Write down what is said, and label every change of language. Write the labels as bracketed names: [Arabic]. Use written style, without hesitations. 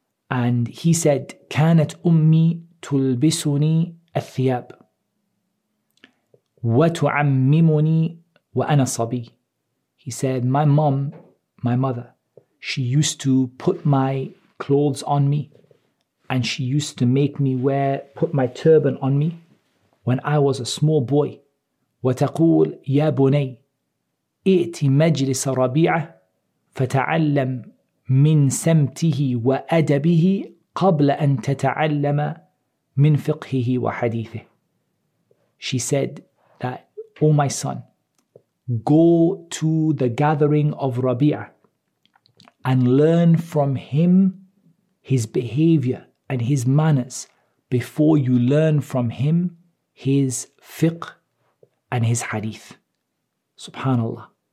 [English] And he said, [Arabic] كانت أمي تلبسني الثياب وتعممني وأنا صبي. [English] He said, my mom, my mother, she used to put my clothes on me and she used to make me wear, put my turban on me when I was a small boy. [Arabic] وتقول يا بني ائتي مجلس ربيعة فتعلم من سمته وأدبه قبل أن تتعلم من فقهه وحديثه. [English] She said that, O my son, go to the gathering of Rabi'ah and learn from him his behavior and his manners before you learn from him his fiqh and his hadith. Subhanallah.